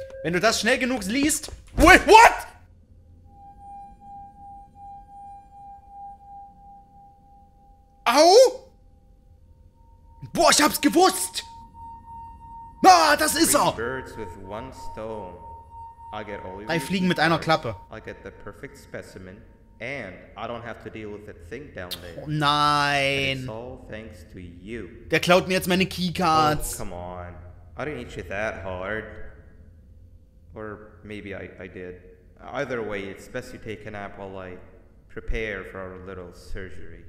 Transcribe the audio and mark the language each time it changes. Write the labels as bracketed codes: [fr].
[de] Wenn du das schnell genug liest... [en] Wait, what? [de] Au! Boah, ich hab's gewusst! Ah, das ist er! [en] Birds with one stone. I get all [de] drei Fliegen mit einer Klappe. [en] I get the perfect specimen and I don't have to deal with that thing down there. [de] Oh, nein. [en] It's all thanks to you. [de] Der klaut mir jetzt meine Keycards. [en] Oh, come on. I didn't eat you that hard. Or maybe I did. Either way, it's best you take a nap while I prepare for our little surgery.